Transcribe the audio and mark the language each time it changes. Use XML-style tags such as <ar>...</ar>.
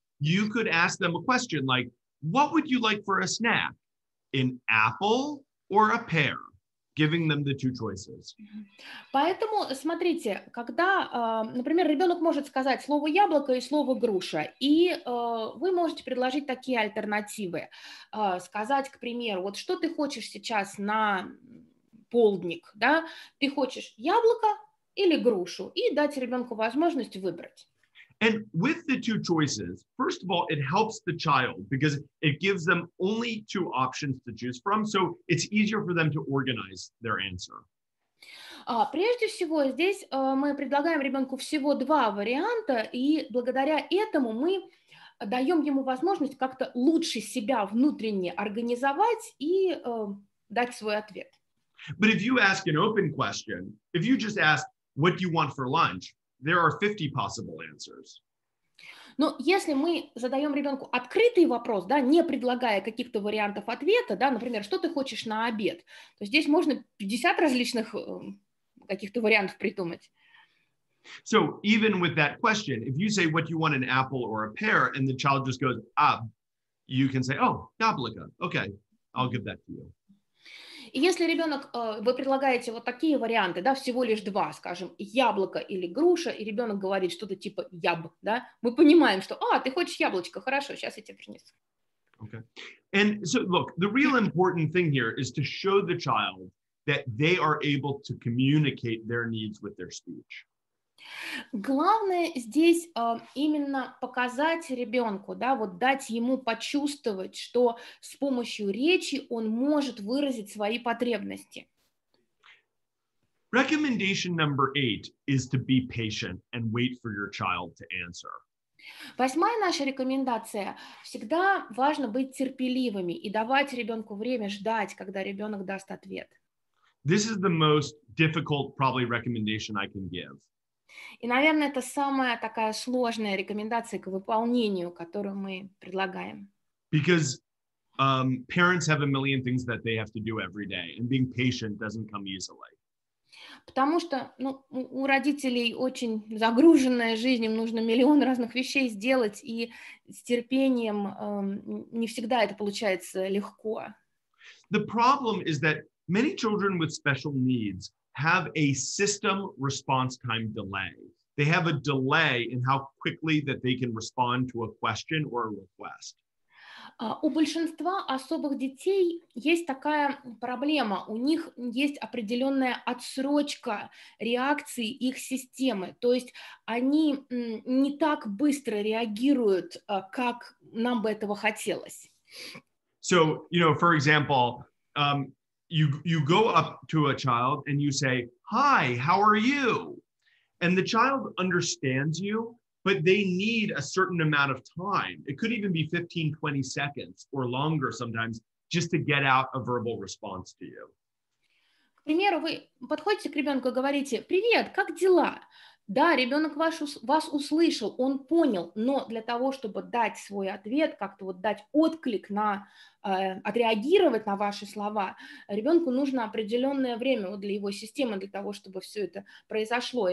<en>You could ask them a question like, what would you like for a snack? An apple or a pear? Giving them the two choices.</en> <ru>Поэтому, смотрите, когда, например, ребенок может сказать слово яблоко и слово груша, и вы можете предложить такие альтернативы. Сказать, к примеру, вот что ты хочешь сейчас на полдник, да? Ты хочешь яблоко или грушу? И дать ребенку возможность выбрать.</ru> <en>And with the two choices, first of all, it helps the child because it gives them only two options to choose from, so it's easier for them to organize their answer.</en> <ru>Прежде всего, здесь мы предлагаем ребенку всего два варианта, и благодаря этому мы даем ему возможность как-то лучше себя внутренне организовать и дать свой ответ.</ru> <en>But if you ask an open question, if you just ask, what do you want for lunch? There are 50 possible answers.</en> <ru>Но если мы задаем ребенку открытый вопрос, да, не предлагая каких-то вариантов ответа, да, например, что ты хочешь на обед, то здесь можно 50 различных каких-то вариантов придумать.</ru> <en>So even with that question, if you say what you want, an apple or a pear, and the child just goes, ah, you can say, oh, яблоко. Okay, I'll give that to you.</en> <ru>Если ребенок, вы предлагаете вот такие варианты, да, всего лишь два, скажем, яблоко или груша, и ребенок говорит что-то типа яб, да, мы понимаем, что, а, ты хочешь яблочко, хорошо, сейчас я тебе принесу.</ru> <en>Okay. And so, look, the real important thing here is to show the child that they are able to communicate their needs with their speech.</en> <ru>Главное здесь именно показать ребенку, да, вот дать ему почувствовать, что с помощью речи он может выразить свои потребности.</ru> <en>Recommendation number 8 is to be patient and wait for your child to answer.</en> <ru>Восьмая наша рекомендация. Всегда важно быть терпеливыми и давать ребенку время ждать, когда ребенок даст ответ.</ru> <en>This is the most difficult, probably, recommendation I can give.</en> <ru>И, наверное, это самая такая сложная рекомендация к выполнению, которую мы предлагаем.</ru> <en>Because parents have a million things that they have to do every day, and being patient doesn't come easily.</en> <ru>Потому что, ну, у родителей очень загруженная жизнь, им нужно миллион разных вещей сделать, и с терпением не всегда это получается легко.</ru> <en>The problem is that many children with special needs have a system response time delay. They have a delay in how quickly that they can respond to a question or a request.</en> <ru>У большинства особых детей есть такая проблема. У них есть определенная отсрочка реакции их системы. То есть они не так быстро реагируют, как нам бы этого хотелось.</ru> <en>So, you know, for example, you go up to a child and you say, "Hi, how are you?" And the child understands you. But they need a certain amount of time. It could even be 15, 20 seconds or longer sometimes just to get out a verbal response to you.</en> <ru>К примеру, вы подходите к ребенку и говорите: «Привет, как дела?» Да, ребенок вас услышал, он понял, но для того, чтобы дать свой ответ, как-то вот дать отклик на, отреагировать на ваши слова, ребенку нужно определенное время вот для его системы, для того, чтобы все это произошло.</ru>